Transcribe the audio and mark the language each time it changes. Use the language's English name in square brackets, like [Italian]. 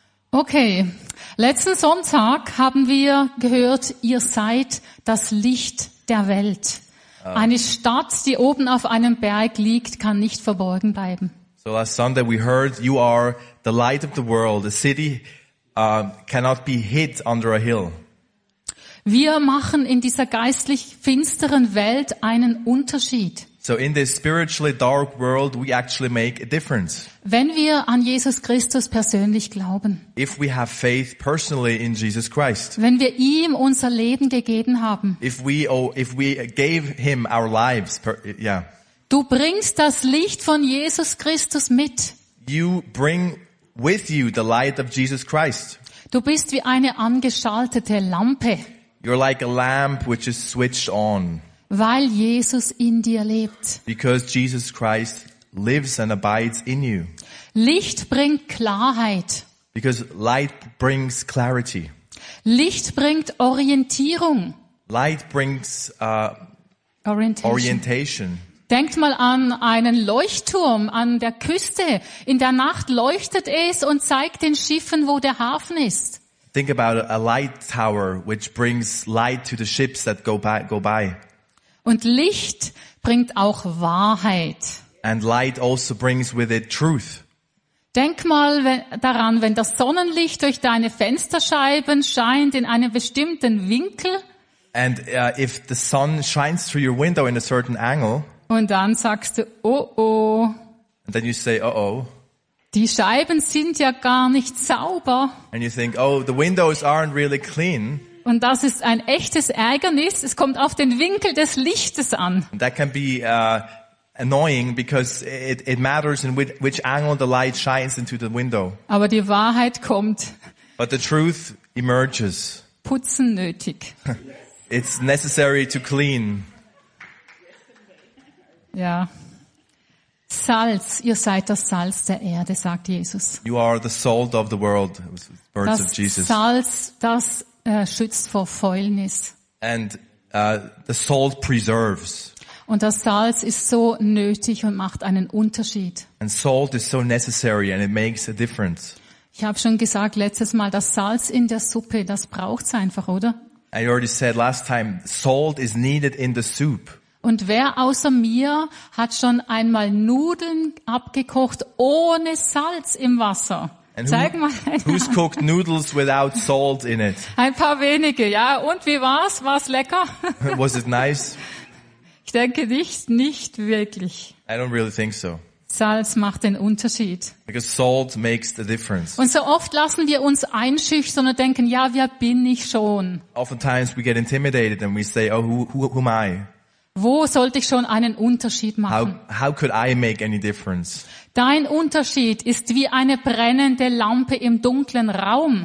[German] Okay, letzten Sonntag haben wir gehört, ihr seid das Licht der Welt. Eine Stadt, die oben auf einem Berg liegt, kann nicht verborgen bleiben. [English] So last Sunday we heard, you are the light of the world. A city cannot be hid under a hill. [German] Wir machen in dieser geistlich finsteren Welt einen Unterschied. [English] So in this spiritually dark world, we actually make a difference. [German] Wenn wir an Jesus Christus persönlich glauben. [English] If we have faith personally in Jesus Christ. [German] Wenn wir ihm unser Leben gegeben haben. [English] If we gave him our lives, yeah. [German] Du bringst das Licht von Jesus Christus mit. [English] You bring with you the light of Jesus Christ. [German] Du bist wie eine angeschaltete Lampe. [English] You're like a lamp which is switched on. [German] Weil Jesus in dir lebt. [English] Because Jesus Christ lives and abides in you. [German] Licht bringt Klarheit. [English] Because light brings clarity. [German] Licht bringt Orientierung. [English] Light brings orientation. [German] Denkt mal an einen Leuchtturm an der Küste. In der Nacht leuchtet es und zeigt den Schiffen, wo der Hafen ist. [English] Think about a light tower which brings light to the ships that go by. [German] Und Licht bringt auch Wahrheit. [English] And light also brings with it truth. [German] Denk mal daran, wenn das Sonnenlicht durch deine Fensterscheiben scheint in einem bestimmten Winkel. [English] And if the sun shines through your window in a certain angle. [German] Und dann sagst du, oh. [English] And then you say, oh. [German] Die Scheiben sind ja gar nicht sauber. [English] And you think, oh, the windows aren't really clean. [German] Und das ist ein echtes Ärgernis. Es kommt auf den Winkel des Lichtes an. [English] That can be annoying because it matters in which angle the light shines into the window. [German] Aber die Wahrheit kommt. [English] But the truth emerges. [German] Putzen nötig. [English] It's necessary to clean. [German] Ja. Salz, ihr seid das Salz der Erde, sagt Jesus. [English] You are the salt of the world, words [German] das [English] of Jesus. [German] Salz, das schützt vor Fäulnis. [English] And the salt preserves. [German] Und das Salz ist so nötig und macht einen Unterschied. [English] And salt is so necessary and it makes a difference. [German] Ich habe schon gesagt letztes Mal, das Salz in der Suppe, das braucht's einfach, oder? [English] I already said last time, salt is needed in the soup. [German] Und wer außer mir hat schon einmal Nudeln abgekocht ohne Salz im Wasser? Zeig mal. [English] Who's cooked noodles without salt in it? [German] Ein paar wenige, ja. Und wie war's? War's lecker? [English] Was it nice? [German] Ich denke nicht wirklich. [English] I don't really think so. [German] Salz macht den Unterschied. [English] Because salt makes the difference. [German] Und so oft lassen wir uns einschüchtern und denken, ja, wer bin ich schon? [English] Oftentimes we get intimidated and we say, oh, who am I? [German] Wo sollte ich schon einen Unterschied machen? [English] How could I make any difference? [German] Dein Unterschied ist wie eine brennende Lampe im dunklen Raum.